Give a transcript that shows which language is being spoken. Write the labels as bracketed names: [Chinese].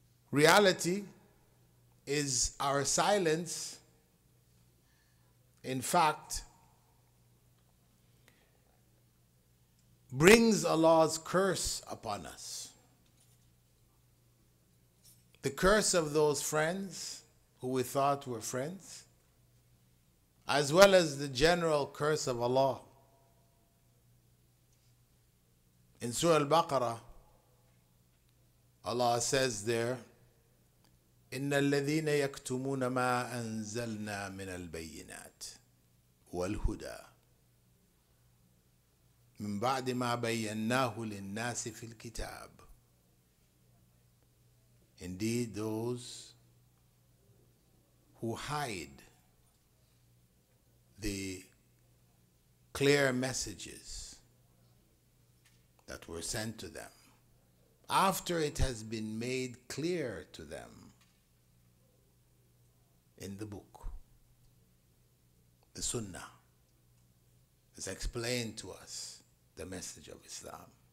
[English] Reality is our silence, in fact, brings Allah's curse upon us. The curse of those friends who we thought were friends, as well as the general curse of Allah. In Surah Al-Baqarah, Allah says there, [Arabic] إِنَّ الَّذِينَ يَكْتُمُونَ مَا أَنزَلْنَا مِنَ الْبَيِّنَاتِ وَالْهُدَى من بعد ما بيناه للناس في الكتاب. [English] Indeed, those who hide the clear messages that were sent to them, after it has been made clear to them in the book, the Sunnah has explained to us the message of Islam.